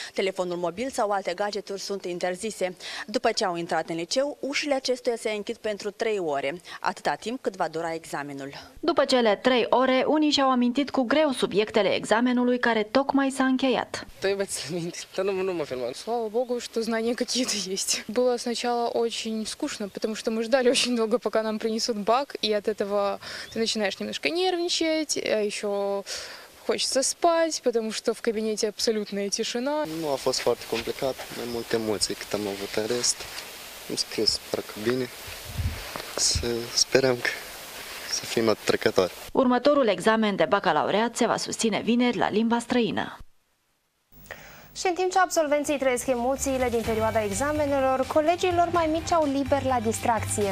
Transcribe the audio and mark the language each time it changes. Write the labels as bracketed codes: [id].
[ro] Telefonul mobil sau alte gadgeturi sunt interzise. După ce au intrat în liceu, ușile acestuia se închid pentru 3 ore, atâta timp cât va dura examenul. După cele 3 ore, unii și-au amintit cu greu subiectele examenului care tocmai s-a încheiat. Trebuie să aminti, dar nu mă filmam. [ru] Слава Богу, что знания какие-то есть. Было сначала очень скучно, потому что мы ждали очень долго, пока нам принесут бак, и от этого ты начинаешь немножко нервничать, а еще хочется спать, потому что в кабинете абсолютная тишина. [ro] Ну, а fost foarte complicat, mai multe emoții cât am avut în rest. Am scris parcă bine, să sperăm că să fim trecători. Următorul examen de bacalaureat se va susține vineri la limba străină. Și în timp ce absolvenții trăiesc emoțiile din perioada examenelor, colegii lor mai mici au liber la distracție.